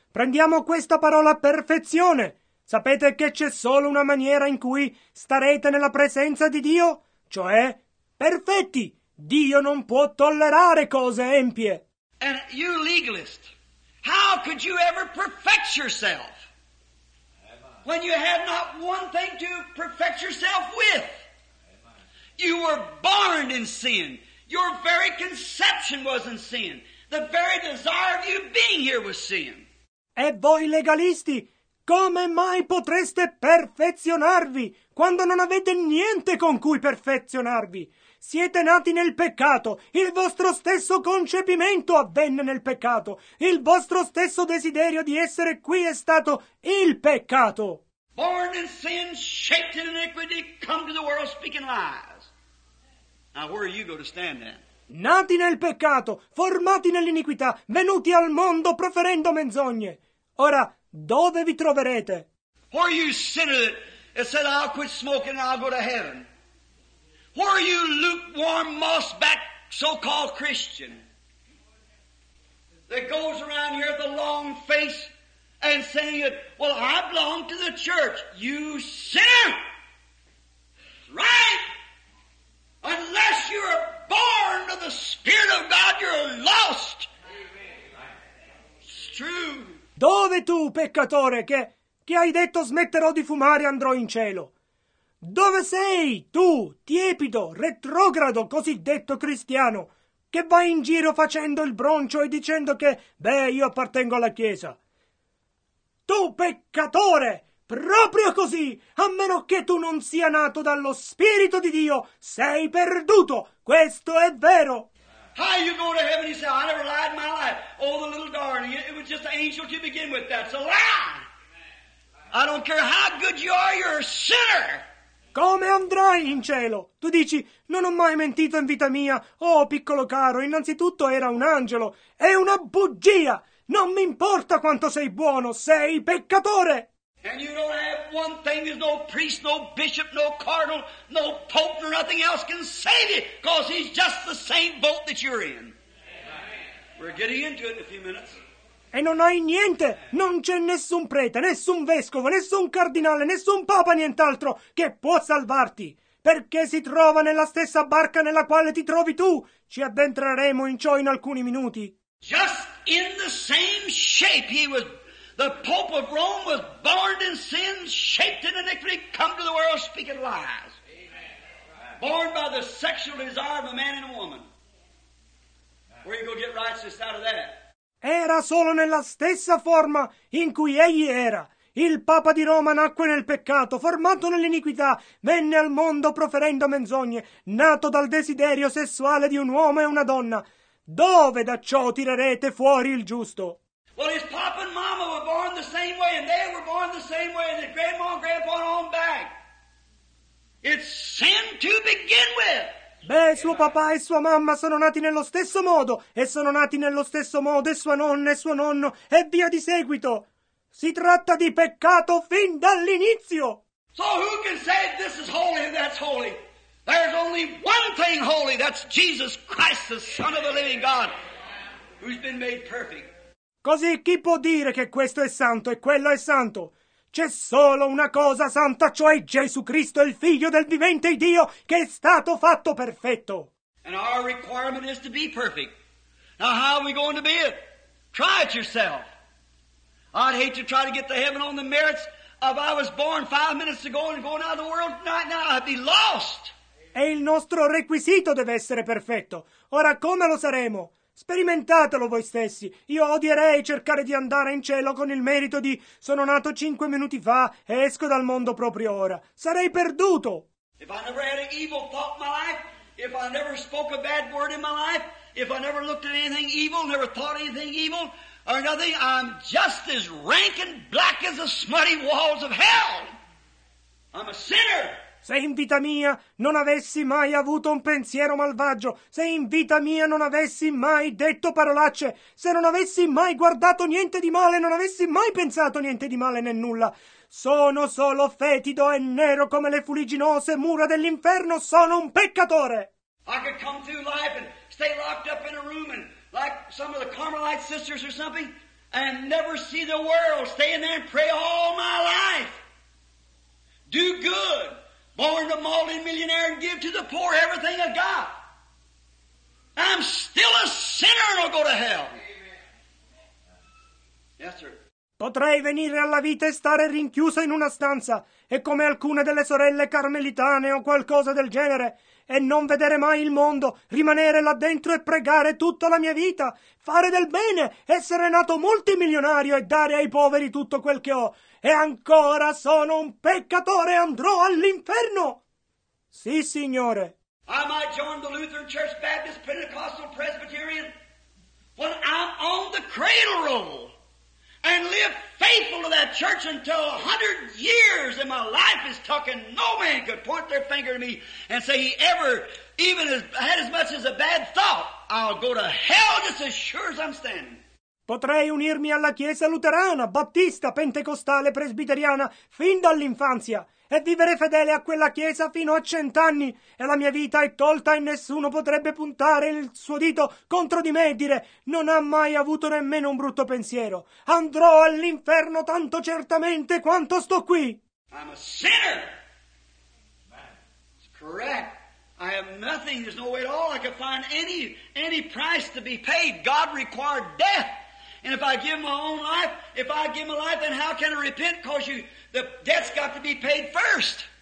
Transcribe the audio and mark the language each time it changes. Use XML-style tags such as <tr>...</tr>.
<it>Prendiamo questa parola perfezione. Sapete che c'è solo una maniera in cui starete nella presenza di Dio? Cioè, perfetti. Dio non può tollerare cose empie.</it> <en>And you legalist. How could you ever perfect yourself when you had not one thing to perfect yourself with? You were born in sin. Your very conception was in sin. The very desire of you being here was sin.</en> <it>E voi legalisti, come mai potreste perfezionarvi quando non avete niente con cui perfezionarvi? Siete nati nel peccato, il vostro stesso concepimento avvenne nel peccato, il vostro stesso desiderio di essere qui è stato il peccato.</it> <en>Born in sin, shaped in iniquity, come to the world speaking lies. Now where are you going to stand then?</en> <it>Nati nel peccato, formati nell'iniquità, venuti al mondo proferendo menzogne. Ora, dove vi troverete?</it> <en>Or you sinner that said I'll quit smoking and I'll go to heaven. Who are you, lukewarm, mossback, so-called Christian, that goes around here with a long face and saying, well, I belong to the church. You sinner! Right? Unless you're born of the Spirit of God, you're lost. It's true.</en> <it>Dove tu, peccatore, che Ti hai detto smetterò di fumare e andrò in cielo. Dove sei tu, tiepido, retrogrado, cosiddetto cristiano, che vai in giro facendo il broncio e dicendo che, beh, io appartengo alla Chiesa? Tu, peccatore, proprio così, a meno che tu non sia nato dallo Spirito di Dio, sei perduto, questo è vero.</it> <en>How you go to heaven? He said, I never lied in my life. Oh, the little darling, it was just an angel to begin with. That's a lie. I don't care how good you are, you're a sinner.</en> <it>Come andrai in cielo? Tu dici, non ho mai mentito in vita mia. Oh, piccolo caro, innanzitutto era un angelo. È una bugia. Non mi importa quanto sei buono, sei peccatore.</it> <en>And you don't have one thing, there's no priest, no bishop, no cardinal, no pope, no nothing else can save you, because he's just the same boat that you're in. Amen. We're getting into it in a few minutes.</en> <it>E non hai niente, non c'è nessun prete, nessun vescovo, nessun cardinale, nessun papa, nient'altro che può salvarti, perché si trova nella stessa barca nella quale ti trovi tu. Ci addentreremo in ciò in alcuni minuti.</it> <en>Just in the same shape he was. The Pope of Rome was born in sin, shaped in iniquity, come to the world speaking lies. Born by the sexual desire of a man and a woman. Where are you going to get righteousness out of that?</en> <it>Era solo nella stessa forma in cui egli era. Il Papa di Roma nacque nel peccato, formato nell'iniquità, venne al mondo proferendo menzogne, nato dal desiderio sessuale di un uomo e una donna. Dove da ciò tirerete fuori il giusto?</it> <en>Well, his papa and mama were born the same way, and they were born the same way, and his grandma and grandpa on back. It's sin to begin with.</en> <it>Beh, suo papà e sua mamma sono nati nello stesso modo, e sono nati nello stesso modo, e sua nonna e suo nonno, e via di seguito. Si tratta di peccato fin dall'inizio.</it> <en>So who can say this is holy and that's holy? There's only one thing holy, that's Jesus Christ, the Son of the living God, who's been made perfect.</en> <it>Così chi può dire che questo è santo e quello è santo? C'è solo una cosa santa, cioè Gesù Cristo, il Figlio del vivente Dio, che è stato fatto perfetto.</it> <en>And our requirement is to be perfect. Now how are we going to be it? Try it yourself. I'd hate to try to get to heaven on the merits of I was born 5 minutes ago and going out of the world right now, I'd be lost.</en> <it>E il nostro requisito deve essere perfetto. Ora come lo saremo? Sperimentatelo voi stessi. Io odierei cercare di andare in cielo con il merito di sono nato 5 minuti fa e esco dal mondo proprio ora. Sarei perduto.</it> <en>If I never had an evil thought in my life, if I never spoke a bad word in my life, if I never looked at anything evil, never thought anything evil or nothing, I'm just as rank and black as the smutty walls of hell. I'm a sinner.</en> <it>Se in vita mia non avessi mai avuto un pensiero malvagio, se in vita mia non avessi mai detto parolacce, se non avessi mai guardato niente di male, non avessi mai pensato niente di male né nulla, sono solo fetido e nero come le fuligginose mura dell'inferno, sono un peccatore!</it> <en>I could come through life and stay locked up in a room and like some of the Carmelite sisters or something and never see the world, stay in there and pray all my life. Do good. Born a Maltese millionaire and give to the poor everything I got. I'm still a sinner and I'll go to hell. Yes, sir.</en> <it>Potrei venire alla vita e stare rinchiuso in una stanza e come alcune delle sorelle carmelitane o qualcosa del genere e non vedere mai il mondo, rimanere là dentro e pregare tutta la mia vita, fare del bene, essere nato multimilionario e dare ai poveri tutto quel che ho. E ancora sono un peccatore e andrò all'inferno! Sì, signore.</it> <en>I might join the Lutheran Church, Baptist, Pentecostal, Presbyterian, but I'm on the cradle roll and live faithful to that church until 100 years and my life is tucking. No man could point their finger at me and say he ever even had as much as a bad thought. I'll go to hell just as sure as I'm standing.</en> <it>Potrei unirmi alla Chiesa luterana, battista, pentecostale, presbiteriana fin dall'infanzia e vivere fedele a quella Chiesa fino a 100 anni e la mia vita è tolta e nessuno potrebbe puntare il suo dito contro di me e dire non ha mai avuto nemmeno un brutto pensiero. Andrò all'inferno tanto certamente quanto sto qui.</it> <en>I'm a sinner. It's correct. I have nothing, there's no way at all I could find any price to be paid. God required death. And if I give my own life, if I give my life, then how can I repent? Because the debt's got to be paid first.</en>